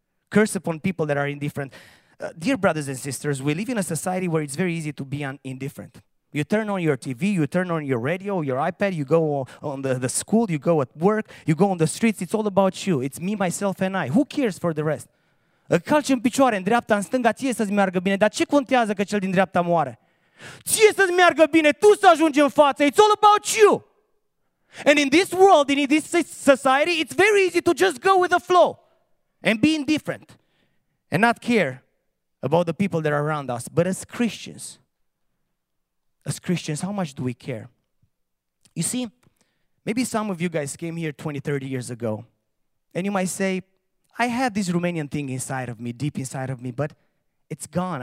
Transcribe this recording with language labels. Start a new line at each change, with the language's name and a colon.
English: Curse upon people that are indifferent. Dear brothers and sisters, we live in a society where it's very easy to be indifferent. You turn on your TV, you turn on your radio, your iPad, you go on the school, you go at work, you go on the streets, it's all about you. It's me, myself, and I. Who cares for the rest?
Romanian: Călci-mi picioare în dreapta, în stânga, ție să-ți meargă bine, dar ce contează că cel din dreapta moare? Ție să-ți meargă bine, tu să ajungi în față,
English: it's all about you. And in this world, in this society, it's very easy to just go with the flow and be indifferent and not care about the people that are around us. But as Christians, how much do we care? You see, maybe some of you guys came here 20, 30 years ago, and you might say, I had this Romanian thing inside of me, deep inside of me, but it's gone.